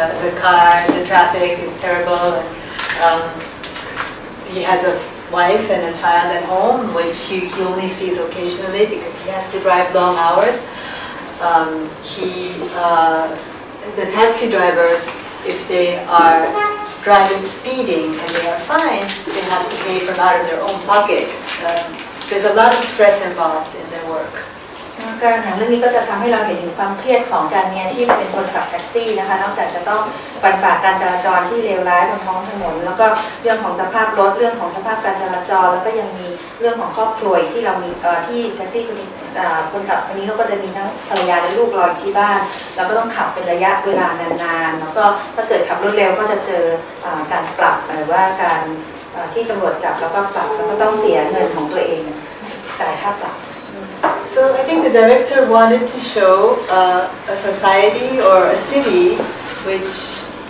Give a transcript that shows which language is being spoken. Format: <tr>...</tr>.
<en>The car, the traffic is terrible, and he has a wife and a child at home, which he only sees occasionally because he has to drive long hours. The taxi drivers, if they are driving speeding and they are fined, they have to pay from out of their own pocket. There's a lot of stress involved in their work.</en> <th>การหนังเรื่องนี้ก็จะทำให้เราเห็นถึงความเครียดของการมีอาชีพเป็นคนขับแท็กซี่นะคะนอกจากจะต้องฟันฝ่าการจราจรที่เลวร้ายบนท้องถนนแล้วก็เรื่องของสภาพรถเรื่องของสภาพการจราจรแล้วก็ยังมีเรื่องของครอบครัวที่เรามีที่แท็กซี่คนขับคนนี้เขาก็จะมีทั้งภรรยาและลูกรออยู่ที่บ้านแล้วก็ต้องขับเป็นระยะเวลานานๆแล้วก็ถ้าเกิดขับรถเร็วก็จะเจอการปรับหรือว่าการที่ตำรวจจับแล้วก็ปรับแล้วก็ต้องเสียเงินของตัวเองจ่ายค่าปรับ</th> <en>So I think the director wanted to show a society or a city which</en>